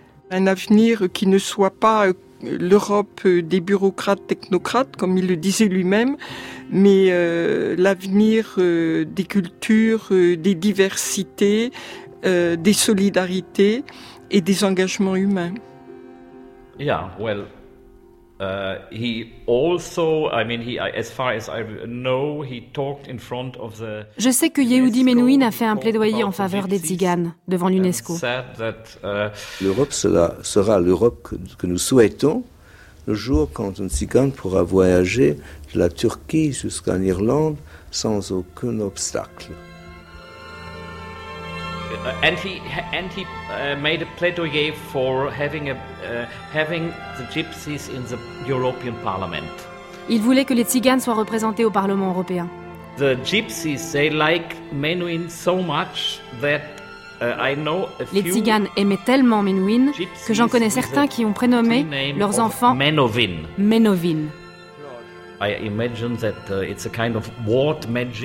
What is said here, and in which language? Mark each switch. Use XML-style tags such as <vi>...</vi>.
<fr>Un avenir qui ne soit pas l'Europe des bureaucrates technocrates, comme il le disait lui-même, mais l'avenir des cultures, des diversités, des solidarités et des engagements humains.</fr> <en>Yeah, well, he also, I mean, he, as far as I know, he talked in front of the.</en> <fr>Je sais que Yehudi Menuhin a fait un plaidoyer en faveur des Tziganes devant l'UNESCO. L'Europe sera l'Europe que nous souhaitons le jour quand un Tzigane pourra voyager de la Turquie jusqu'en Irlande sans aucun obstacle.</fr> <en>And he made a plaidoyer for having the gypsies in the European Parliament.</en> <fr>Il voulait que les Tziganes soient représentés au Parlement européen.</fr> <en>The gypsies, they like Menuhin so much that I know a few.</en> <fr>Les Tziganes aimaient tellement Menuhin que j'en connais certains qui ont prénommé leurs enfants Menuhin.</fr> <en>I imagine that it's a kind of ward magic.</en>